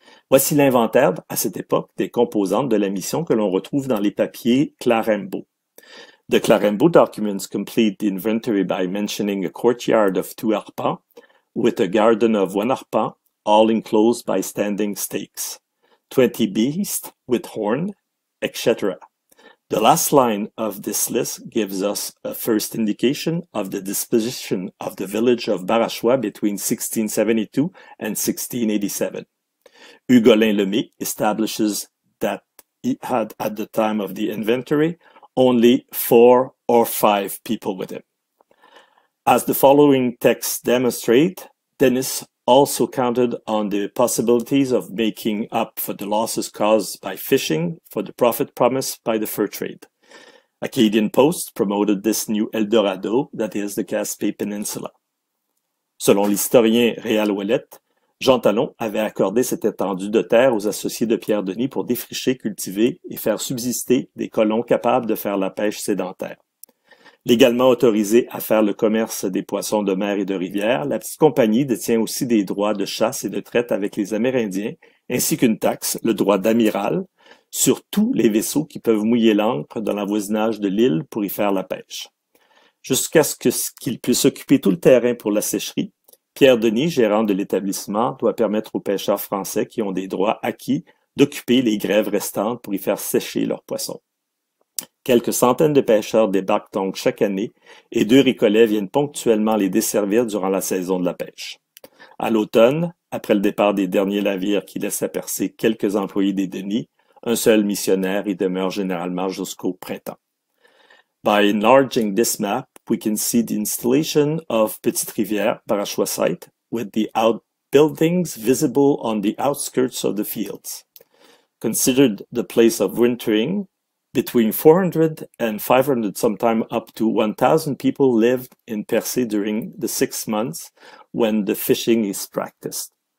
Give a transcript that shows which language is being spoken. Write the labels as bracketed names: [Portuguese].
[French] Voici l'inventaire, à cette époque, des composantes de la mission que l'on retrouve dans les papiers Clarembo. [English] The Clarembo documents complete the inventory by mentioning a courtyard of two arpents, with a garden of one arpent, all enclosed by standing stakes, 20 beasts with horn, etc. The last line of this list gives us a first indication of the disposition of the village of Barachois between 1672 and 1687. Hugolin Lemay establishes that he had, at the time of the inventory, only four or five people with him. As the following texts demonstrate, Denis also counted on the possibilities of making up for the losses caused by fishing for the profit promised by the fur trade. Acadian Post promoted this new El Dorado, that is the Gaspé Peninsula. [French] Selon l'historien Réal Ouellet, Jean Talon avait accordé cette étendue de terre aux associés de Pierre-Denis pour défricher, cultiver et faire subsister des colons capables de faire la pêche sédentaire. Légalement autorisée à faire le commerce des poissons de mer et de rivière, la petite compagnie détient aussi des droits de chasse et de traite avec les Amérindiens, ainsi qu'une taxe, le droit d'amiral, sur tous les vaisseaux qui peuvent mouiller l'ancre dans l'avoisinage de l'île pour y faire la pêche. jusqu'à ce qu'il puisse occuper tout le terrain pour la sécherie. Pierre Denis, gérant de l'établissement, doit permettre aux pêcheurs français qui ont des droits acquis d'occuper les grèves restantes pour y faire sécher leurs poissons. Quelques centaines de pêcheurs débarquent donc chaque année et deux récollets viennent ponctuellement les desservir durant la saison de la pêche. À l'automne, après le départ des derniers navires qui laissent à percer quelques employés des Denis, un seul missionnaire y demeure généralement jusqu'au printemps. [English] By enlarging this map, we can see the installation of Petite Rivière, Barachois site, with the outbuildings visible on the outskirts of the fields. Considered the place of wintering, between 400 and 500, sometimes up to 1,000 people lived in Percé during the 6 months when the fishing is practiced.